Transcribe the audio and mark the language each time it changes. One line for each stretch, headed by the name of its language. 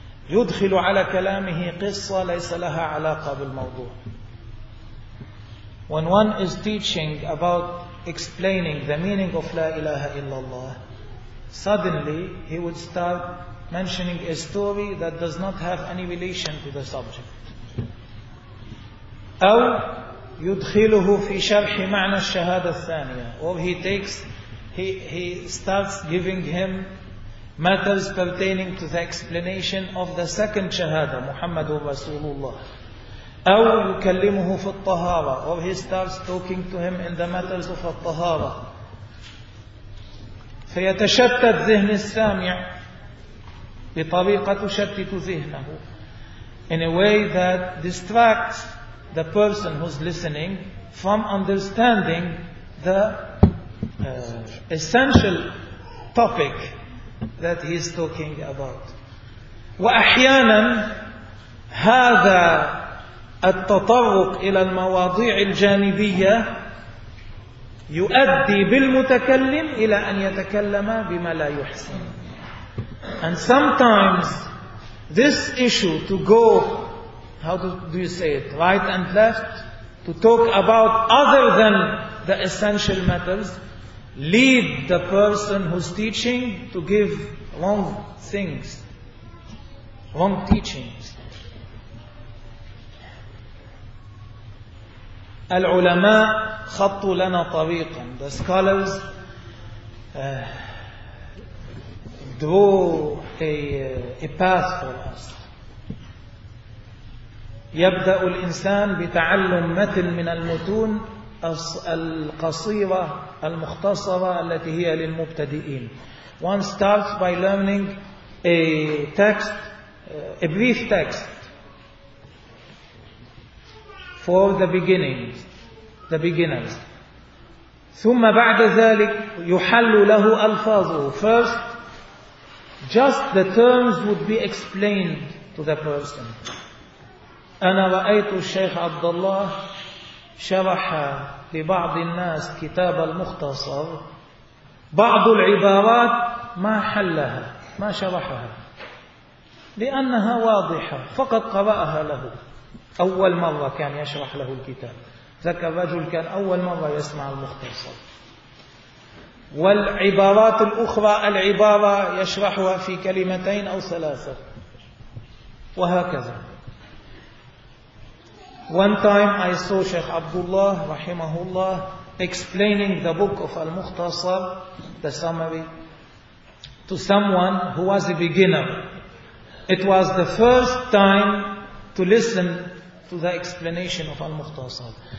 Arabic: يدخل على كلامه قصة ليس لها علاقة بالموضوع.
English: When one is teaching about explaining the meaning of
Arabic: لا إله إلا الله,
English: suddenly he would start mentioning a story that does not have any relation to the subject.
Arabic: أو يدخله في شرح معنى الشهادة الثانية.
English: Or he starts giving him matters pertaining to the explanation of the second shahada,
Arabic: محمد رسول الله. أو يكلمه في الطهارة.
English: Or he starts talking to him in the matters of الطهارة.
Arabic: فيتشتت ذهن السامع بطريقة تشتت ذهنه,
English: in a way that distracts the person who's listening from understanding the essential topic that he's talking about.
Arabic: وأحيانا هذا التطرق إلى المواضيع الجانبية يؤدي بالمتكلم إلى أن يتكلم بما لا يحسن.
English: And sometimes this issue to go, how do you say it, right and left, to talk about other than the essential matters, lead the person who's teaching to give wrong things, wrong teachings.
Arabic: العلماء خطوا لنا طريقا.
English: The scholars drew a path for us.
Arabic: يبدأ الإنسان بتعلم متن من المتون القصيرة المختصرة التي هي للمبتدئين.
English: One starts by learning a text, a brief text for the beginning, the beginners.
Arabic: ثم بعد ذلك يحل له ألفاظه.
English: First, just the terms would be explained to the person.
Arabic: أنا رأيت الشيخ عبد الله شرح لبعض الناس كتاب المختصر, بعض العبارات ما حلها, ما شرحها, لأنها واضحة, فقط قرأها له أول مرة كان يشرح له الكتاب. ذكر رجل كان أول مرة يسمع المختصر, والعبارات الأخرى العبارة يشرحها في كلمتين أو ثلاثة وهكذا.
English: One time I saw Sheikh Abdullah rahimahullah explaining the book of Al-Mukhtasar, the summary, to someone who was a beginner. It was the first time to listen to the explanation of Al-Mukhtasar.